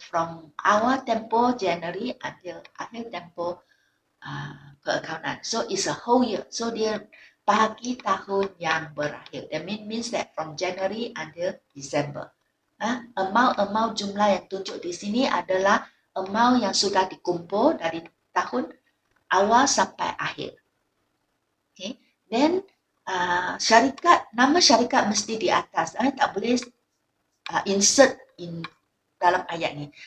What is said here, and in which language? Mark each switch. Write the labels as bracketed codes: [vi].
[en] From [ms] awal tempo January until akhir tempo keakaunan. [en] So it's a whole year. [ms] So dia bagi tahun yang berakhir. [en] That means that from January until December. [ms] Amount-amount jumlah yang tunjuk di sini adalah amount yang sudah dikumpul dari tahun awal sampai akhir. [en] Okay. Then, [ms] syarikat, nama syarikat mesti di atas. Tak boleh [en] insert in [ms] dalam ayat ni.